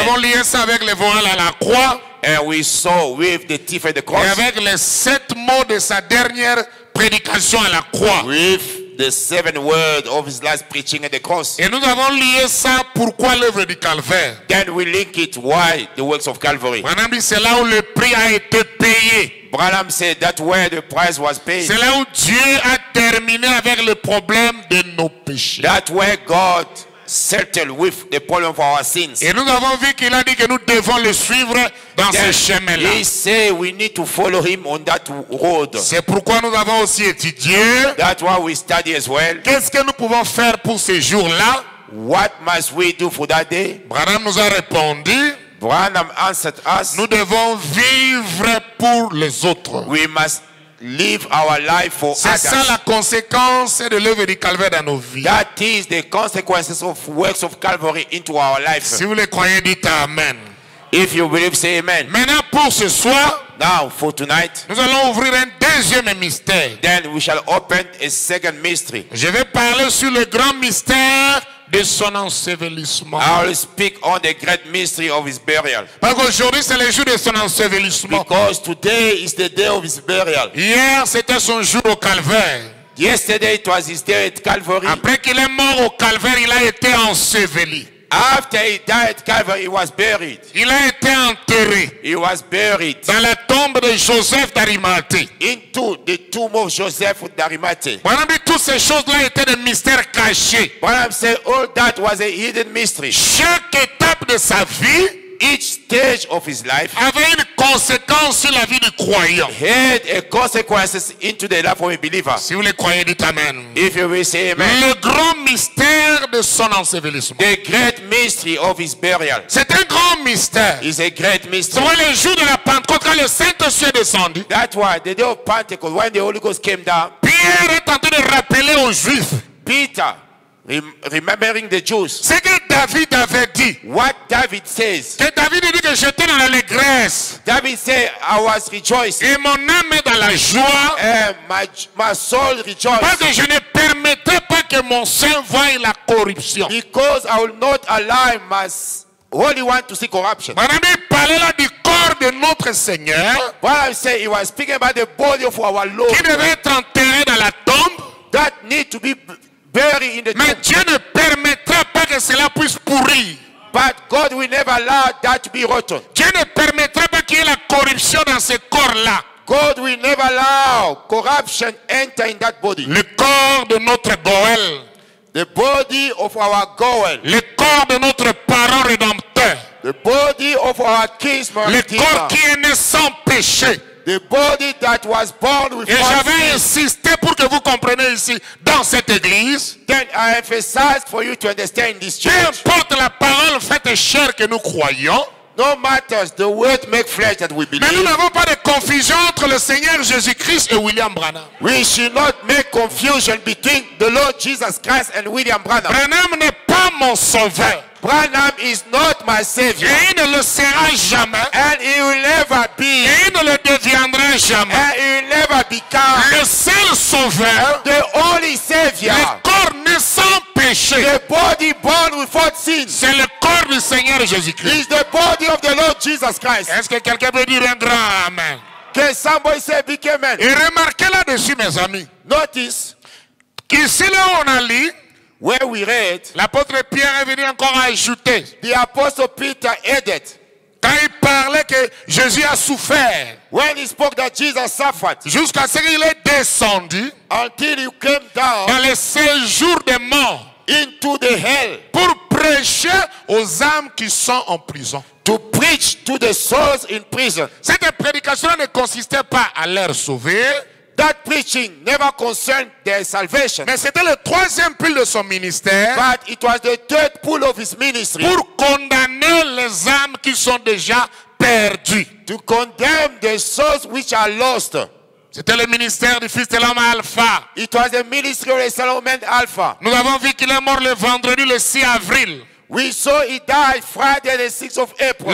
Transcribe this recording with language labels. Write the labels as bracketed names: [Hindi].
[French] Nous avons lié ça avec le voile à la croix. [English] And we saw with the thief at the cross. [French] Et avec les 7 mots de sa dernière prédication à la croix. [English] With the 7 words of his last preaching at the cross. [French] Et nous avons lié ça pourquoi l'œuvre du calvaire. [English] Then we link it why the works of Calvary. [French] Branham dit c'est là où le prix a été payé. [English] Branham said that where the price was paid. [French] C'est là où Dieu a terminé avec le problème de nos péchés. [English] That where God settled with the problem of our sins. [French] Et nous avons vu qu'il a dit que nous devons le suivre dans [English] then [French] ce chemin-là. [English] He said we need to follow him on that road. [French] C'est pourquoi nous avons aussi étudié. [English] That's why we study as well. [French] Qu'est-ce que nous pouvons faire pour ces jours-là? [English] What must we do for that day? [French] Branham nous a répondu. [English] Branham answered us. [French] Nous devons vivre pour les autres. [English] We must live our life for others. [French] C'est ça la conséquence de l'œuvre du calvaire dans nos vies. [English] That is the consequences of works of Calvary into our life. [French] Si vous le croyez, dites amen. [English] If you believe, say amen. [French] Maintenant pour ce soir, [English] now for tonight, [French] nous allons ouvrir un deuxième mystère. [English] Then we shall open a second mystery. [French] Je vais parler sur le grand mystère de son ensevelissement. [English] I will speak on the great mystery of his burial. [French] Parce qu'aujourd'hui c'est le jour de son ensevelissement. [English] Because today is the day of his burial. [French] Hier c'était son jour au calvaire. [English] Yesterday it was his day at Calvary. [French] Après qu'il est mort au calvaire, il a été enseveli. [English] After he died at Calvary, he was buried. [French] Il a été enterré. [English] He was buried. [French] Dans la tombe de Joseph d'Arimathée. [English] Into the tomb of Joseph d'Arimathée. [French] Bon, mais toutes ces choses-là étaient des mystères cachés. [English] Bon, I'm saying all that was a hidden mystery. [French] Chaque étape de sa vie, [English] each stage of his life, [French] avait une conséquence sur la vie du croyant. [English] Had a consequences into the life of a believer. [French] Si vous le croyez, dites amen. [English] If you will say amen. [French] Le grand mystère de son ensevelissement. [English] The great mystery of his burial. [French] C'est un grand mystère. [English] Is a great mystery. [French] Soit le jour de la Pentecôte quand le Saint-Esprit est descendu. [English] That's why the day of Pentecost when the Holy Ghost came down. [French] Pierre est en train de rappeler aux Juifs. [English] Peter. Remembering the Jews. [French] C'est que David avait dit. [English] What David says. [French] Que David dit que j'étais dans l'allégresse. [English] David said I was rejoicing. [French] Et mon âme est dans la joie. [English] My soul rejoiced. [French] Parce que je ne permettrai pas que mon sein voie la corruption. [English] Because I will not allow my Holy One to see corruption. [French] Mon ami parlait là du corps de notre Seigneur. [English] What I say, he was speaking about the body of our Lord. [French] Qui devait être enterré dans la tombe. [English] That need to be buried in the [French] mais [English] tomb. [French] Dieu ne permettra pas que cela puisse pourrir. [English] But God will never allow that to be rotten. [French] Dieu ne permettra pas qu'il y ait la corruption dans ce corps-là. [English] God will never allow corruption enter in that body. [French] Le corps de notre Goël. [English] The body of our Goël. [French] Le corps de notre parent rédempteur. [English] The body of our King's Redeemer. [French] Le corps qui est né sans péché. [English] The body that was born with [French] et j'avais insisté pour que vous compreniez ici, dans cette église, [English] then I emphasized for you to understand this church. [French] Peu importe la parole faite chair que nous croyons, [English] no matters the word make flesh that we believe. [French] Mais nous n'avons pas de confusion entre le Seigneur Jésus-Christ et William Branham. [English] We should not make confusion between the Lord Jesus Christ and William Branham. [French] Branham n'est pas mon sauveur. [English] Branham is not my savior. [French] Et il ne le sera jamais. [English] And he will never be. [French] Et il ne le deviendra jamais. [English] And he will never become. [French] Le seul sauveur. [English] The only savior. [French] Le corps né sans péché. [English] The body born without sin. [French] C'est le corps du Seigneur Jésus-Christ. [English] It's the body of the Lord Jesus Christ. [French] Est-ce que quelqu'un peut dire un grand amen? [English] Can somebody say big amen? [French] Et remarquez là-dessus, mes amis. [English] Notice. [French] Qu'ici là on a lu. [English] Where we read, [French] l'apôtre Pierre est venu encore ajouter. [English] The apostle Peter added. [French] Quand il parlait que Jésus a souffert, [English] when he spoke that Jesus suffered, [French] jusqu'à ce qu'il est descendu, [English] until he came down, [French] dans les séjours des morts, [English] into the hell, [French] pour prêcher aux âmes qui sont en prison, [English] to preach to the souls in prison. [French] Cette prédication ne consistait pas à leur sauver. [English] That preaching never concerned their salvation. [French] Mais c'était le troisième pull de son ministère. [English] But it was the third pull of his ministry. [French] Pour condamner les âmes qui sont déjà perdues. [English] To condemn the souls which are lost. [French] C'était le ministère du Fils de l'homme Alpha. [English] It was the ministry of the Son of Man Alpha. [French] Nous avons vu qu'il est mort le vendredi le 6 avril. [English] We saw he died Friday the 6th of April.